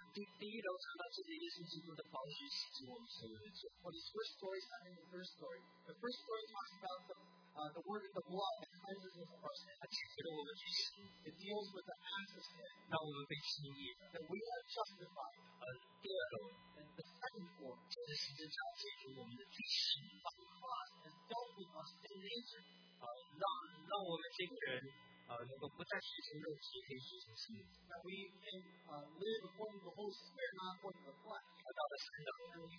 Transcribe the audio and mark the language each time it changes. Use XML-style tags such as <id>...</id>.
<zh>第一楼讲到这些耶稣基督的宝血洗净我们所有的罪。</zh> <en>What is the first story? Second and the first story. The first story talks about the word of the blood that cleanses us of our sin.</en> <zh>它解决了我们的罪。</zh> <en>It deals with the acts of sin.</en> <zh>让我们被清义。</zh> <en>That we are justified.</en> <zh>第二楼。</zh> <en>And the second form.</en> <zh>就是十字架解决我们的罪。</zh> <en>By the cross and dealt with our sin nature.</en> <zh>让我们这个人。能够不再追求肉体，可以追求心灵。</zh> <en>We can live according to the Holy Spirit, not according to the flesh.</en>